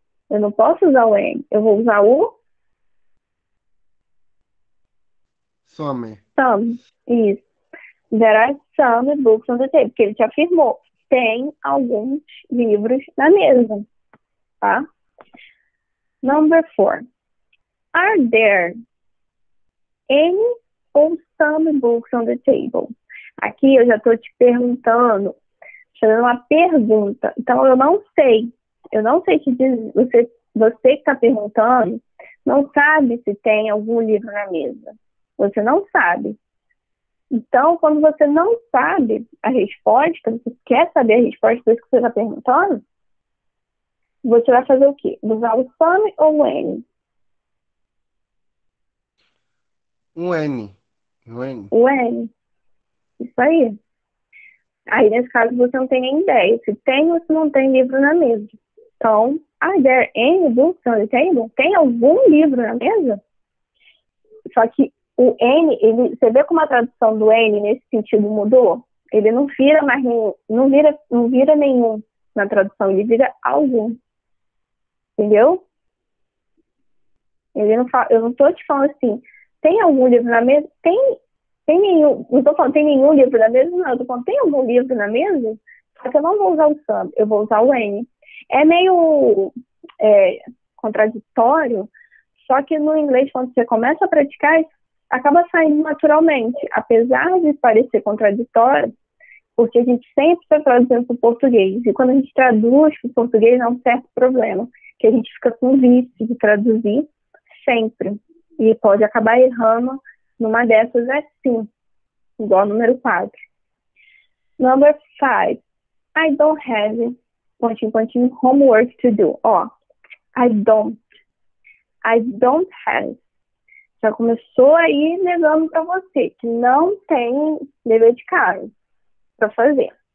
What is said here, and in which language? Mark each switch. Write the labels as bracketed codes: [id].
[pt] Eu não posso usar o em, eu vou usar o [en] Some. some. [pt] Isso. [en] There are some books on the table. [pt] Porque ele te afirmou, tem alguns livros na mesa. Tá? [en] Number four. Are there any or some books on the table? [pt] Aqui eu já estou te perguntando, te dando uma pergunta. Então eu não sei te dizer, você que está perguntando, não sabe se tem algum livro na mesa. Você não sabe. Então, quando você não sabe a resposta, você quer saber a resposta do que você está perguntando, você vai fazer o quê? Usar o some ou o any? Um N, um N. O any. Isso aí. Aí, nesse caso, você não tem nem ideia se tem ou se não tem livro na mesa. Então, [en] are there any books on the table? [pt] Tem algum livro na mesa? Só que o N, ele, você vê como a tradução do N nesse sentido mudou? Ele não vira mais nenhum, não vira nenhum na tradução, ele vira algum. Entendeu? Ele não fala, eu não estou te falando assim, tem algum livro na mesa? Tem nenhum, não estou falando tem nenhum livro na mesa, não. Eu estou falando, tem algum livro na mesa? Só que eu não vou usar o some, eu vou usar o any. É meio contraditório, só que no inglês, quando você começa a praticar, acaba saindo naturalmente. Apesar de parecer contraditório, porque a gente sempre está traduzindo para o português. E quando a gente traduz para o português, há um certo problema, que a gente fica com vício de traduzir sempre. E pode acabar errando. Numa dessas é sim, igual número 4. [en] Number 5. I don't have [pt] pontinho, pontinho, [en] homework to do. Ó, I don't have. [pt] Já começou aí negando para você que não tem dever de casa para fazer.